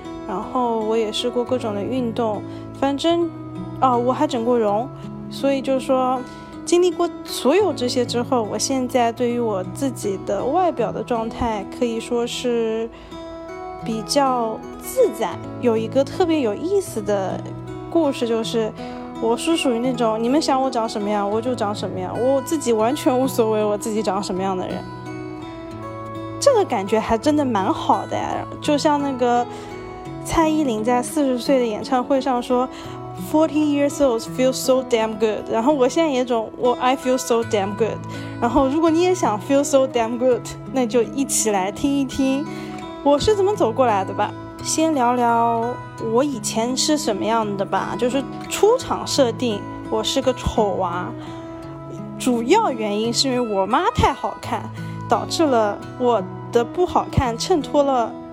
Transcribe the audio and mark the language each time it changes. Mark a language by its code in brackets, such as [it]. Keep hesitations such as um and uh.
[zh] 然后我也试过各种的运动，反正，啊，我还整过容，所以就是说，经历过所有这些之后，我现在对于我自己的外表的状态可以说是比较自在。有一个特别有意思的故事，就是我是属于那种你们想我长什么样，我就长什么样，我自己完全无所谓我自己长什么样的人。这个感觉还真的蛮好的呀，就像那个。蔡依林在四十岁的演唱会上说： [en] “Forty years old feels so damn good。 [zh] ”然后我现在也种，我、oh, [en] “I feel so damn good。 [zh] ”然后如果你也想 [en] “feel so damn good”， [zh] 那就一起来听一听我是怎么走过来的吧。先聊聊我以前是什么样的吧，就是出场设定，我是个丑娃、啊。主要原因是因为我妈太好看，导致了我的不好看衬托了。